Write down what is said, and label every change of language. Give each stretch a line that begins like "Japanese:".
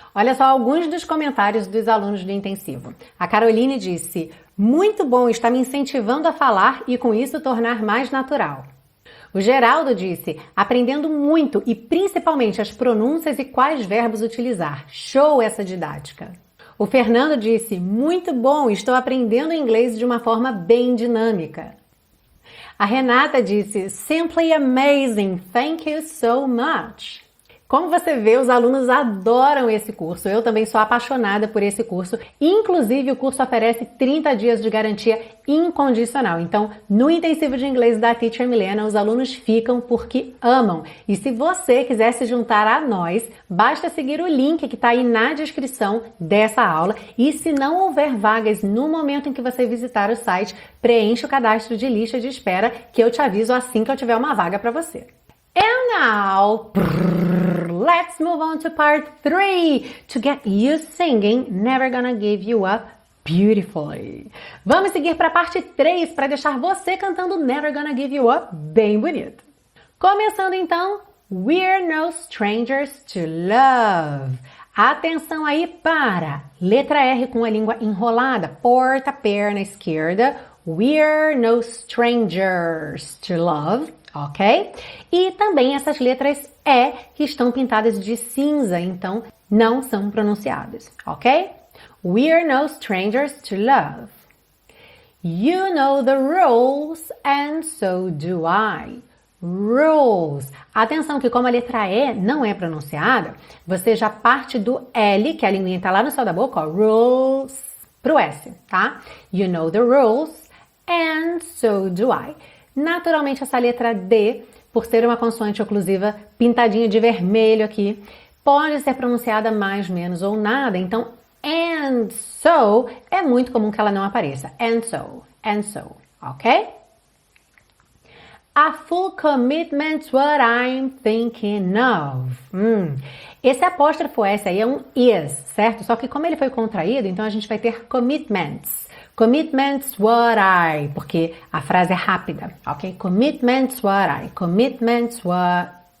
Portuguese: Olha só alguns dos comentários dos alunos do intensivo. A Caroline disse: muito bom, está me incentivando a falar e com isso tornar mais natural. O Geraldo disse: aprendendo muito e principalmente as pronúncias e quais verbos utilizar. Show essa didática. O Fernando disse: muito bom, estou aprendendo inglês de uma forma bem dinâmica. A Renata disse:
English: simply amazing, thank you so much.
Portuguese: Como você vê, os alunos adoram esse curso. Eu também sou apaixonada por esse curso. Inclusive, o curso oferece 30 dias de garantia incondicional. Então, no Intensivo de Inglês da Teacher Milena, os alunos ficam porque amam. E se você quiser se juntar a nós, basta seguir o link que está aí na descrição dessa aula. E se não houver vagas no momento em que você visitar o site, preencha o cadastro de lista de espera, que eu te aviso assim que eu tiver uma vaga para você.
English: And now, let's move on to part 3, to get you singing Never Gonna Give You Up beautifully.
Portuguese: Vamos seguir para a parte 3, para deixar você cantando Never Gonna Give You Up bem bonito. Começando então,
English: We're No Strangers to Love.
Portuguese: Atenção aí para letra R com a língua enrolada, porta a perna esquerda,
English: We're No Strangers to Love.
Portuguese: Ok? E também essas letras E que estão pintadas de cinza, então não são pronunciadas, ok?
English: We're no strangers to love. You know the rules and so do I. Rules.
Portuguese: Atenção que como a letra E não é pronunciada, você já parte do L, que a linguinha está lá no céu da boca, ó, rules, pro S, tá?
English: You know the rules and so do I.
Portuguese: Naturalmente, essa letra D, por ser uma consoante oclusiva pintadinha de vermelho aqui, pode ser pronunciada mais, menos ou nada. Então,
English: and so,
Portuguese: é muito comum que ela não apareça.
English: And so, ok? A full commitment's what I'm thinking of.
Portuguese: Esse apóstrofo S aí é um is, certo? Só que como ele foi contraído, então a gente vai ter commitments.
English: Commitments what I,
Portuguese: porque a frase é rápida, ok?
English: Commitments what I, commitments what...